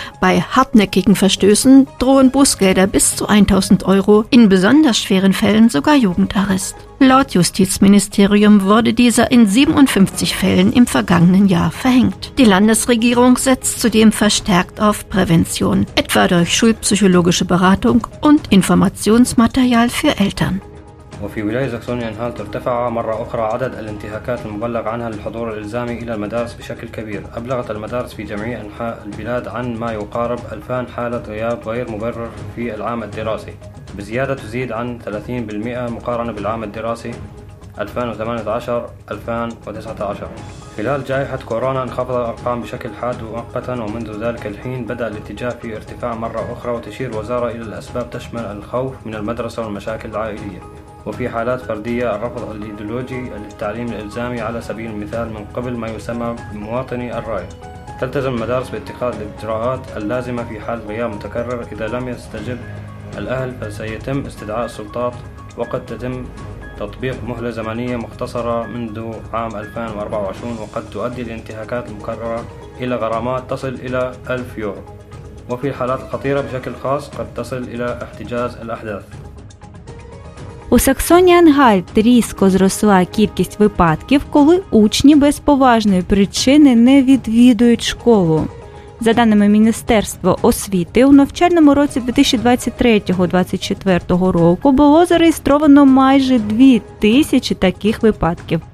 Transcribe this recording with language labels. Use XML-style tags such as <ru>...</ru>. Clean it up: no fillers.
<de>Bei hartnäckigen Verstößen drohen Bußgelder bis zu 1000 Euro, in besonders schweren Fällen sogar Jugendarrest. Laut Justizministerium wurde dieser in 57 Fällen im vergangenen Jahr verhängt. Die Landesregierung setzt zudem verstärkt auf Prävention, etwa durch schulpsychologische Beratung und Informationsmaterial für Eltern.</de> <ar>وفي ولاية ساكسونيا-أنهالت ارتفع مرة أخرى عدد الانتهاكات المبلغ عنها للحضور الإلزامي إلى المدارس بشكل كبير. أبلغت المدارس في جميع أنحاء البلاد عن ما يقارب 2000 حالة غياب غير مبرر في العام الدراسي، بزيادة تزيد عن 30% مقارنة بالعام الدراسي 2018-2019. خلال جائحة كورونا انخفض الأرقام بشكل حاد ومؤقتا، ومنذ ذلك الحين بدأ الاتجاه في ارتفاع مرة أخرى، وتشير الوزارة إلى الأسباب تشمل الخوف من المدرسة والمشاكل العائلية، وفي حالات فردية الرفض الإيديولوجي للتعليم الإلزامي على سبيل المثال من قبل ما يسمى بمواطني الرأي. تلتزم المدارس باتخاذ الإجراءات اللازمة في حال غياب متكرر، إذا لم يستجب الأهل فسيتم استدعاء السلطات، وقد تتم تطبيق مهلة زمنية مختصرة منذ عام 2024، وقد تؤدي الانتهاكات المكررة إلى غرامات تصل إلى 1000 يورو، وفي الحالات الخطيرة بشكل خاص قد تصل إلى احتجاز الأحداث.</ar> <uk>У Саксоні-Анхальт різко зросла кількість випадків, коли учні без поважної причини не відвідують школу. За даними Міністерства освіти, у навчальному році 2023-2024 року було зареєстровано майже 2000 таких випадків.</uk>